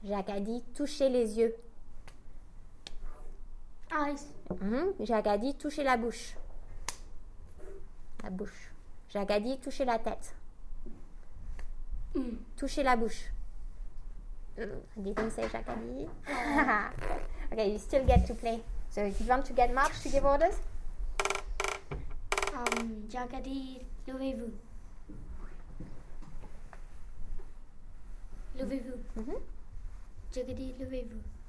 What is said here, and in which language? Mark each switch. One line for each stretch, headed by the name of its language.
French: Jacques a dit, touchez les yeux.
English: Eyes.
French: Jacques a dit, touchez la bouche. La bouche. Jacques a dit, touchez la tête. Touchez la bouche. Dis donc, c'est Jacques a dit.
English: Okay, you still get to play. So, you want to get March to give orders?
French: Jacques a dit, levez-vous. Levez-vous. Jacques a dit, levez-vous.